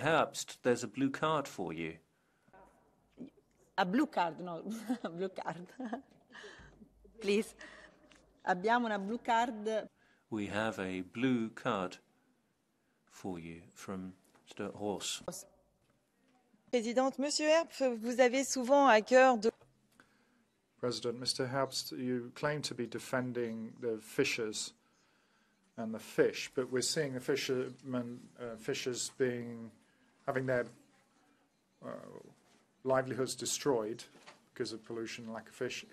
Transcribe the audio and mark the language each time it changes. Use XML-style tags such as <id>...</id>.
<en>Herbst, there's a blue card for you. A blue card, no, a blue card. Please.</en> <it>Abbiamo una blue card.</it> <en>We have a blue card for you from Mr. Horse.</en> <fr>Présidente, Monsieur Herbst, vous avez souvent à cœur de...</fr> <en>President, Mr. Herbst, you claim to be defending the fishers and the fish, but we're seeing the fishermen, fishers being, having their livelihoods destroyed because of pollution and lack of fish.</en>